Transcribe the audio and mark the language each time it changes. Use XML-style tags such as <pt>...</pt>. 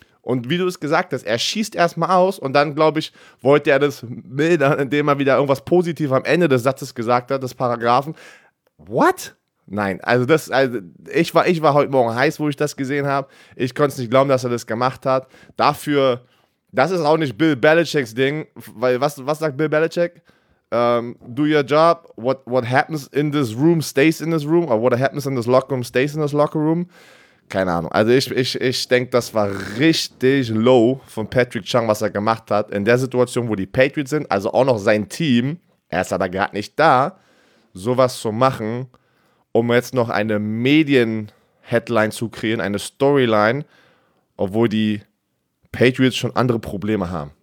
<de>Und wie du es gesagt hast, er schießt erstmal aus und dann, glaube ich, wollte er das mildern, indem er wieder irgendwas Positives am Ende des Satzes gesagt hat, des Paragraphen.</de> <en>What?</en> <de>Nein, also das, also ich war heute Morgen heiß, wo ich das gesehen habe. Ich konnte es nicht glauben, dass er das gemacht hat. Dafür, das ist auch nicht Bill Belichicks Ding, weil was sagt Bill Belichick?</de> <en>Do your job, what happens in this room stays in this room, or what happens in this locker room stays in this locker room.</en> <de>Keine Ahnung, also ich denke, das war richtig low von Patrick Chung, was er gemacht hat. In der Situation, wo die Patriots sind, also auch noch sein Team, er ist aber gerade nicht da, sowas zu machen, um jetzt noch eine Medien-Headline zu kreieren, eine Storyline, obwohl die Patriots schon andere Probleme haben.</de>